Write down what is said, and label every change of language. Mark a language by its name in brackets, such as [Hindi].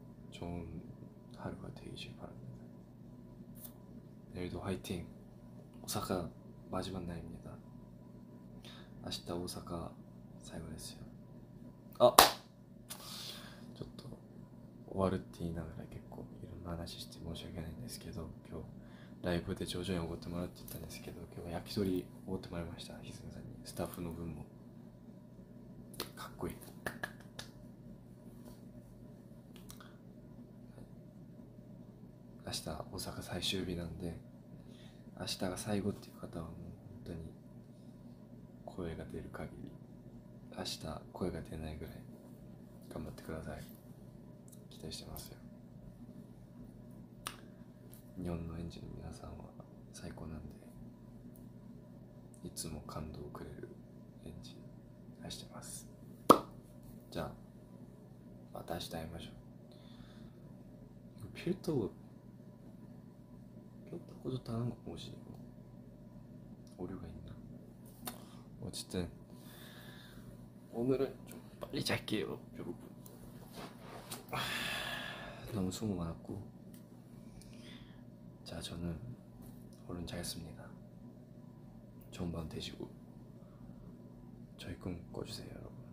[Korean] 좋은 하루가 되시길 바랍니다. 내일도 화이팅! 오사카 마지막 날입니다. 아쉽다, 오사카 사용했어요. 아! [Japanese] 終わるって言いながら結構 [Korean] 이런 [Japanese] 話して 申し訳ないんですけど 今日 ライブで 徐々に奢ってもらってたんですけど、今日は焼き鳥奢ってもらいました、ひすみさんに。スタッフの分も。かっこいい。明日、大阪最終日なんで、明日が最後っていう方はもう本当に声が出る限り、明日声が出ないぐらい頑張ってください。期待してますよ。日本のエンジンの皆さんは最高なんで、いつも感動をくれるエンジン、愛してます。じゃあ、また明日会いましょう。ピュートをちょっと頼むかもしれない。お料がいいな。おちてん、 [Korean] 오늘은좀 빨리 잘게요, 여러분. 너무 수고 많았고. 자, 저는 얼른 자겠습니다. 좋은 밤 되시고 저희 꿈 꿔주세요 여러분.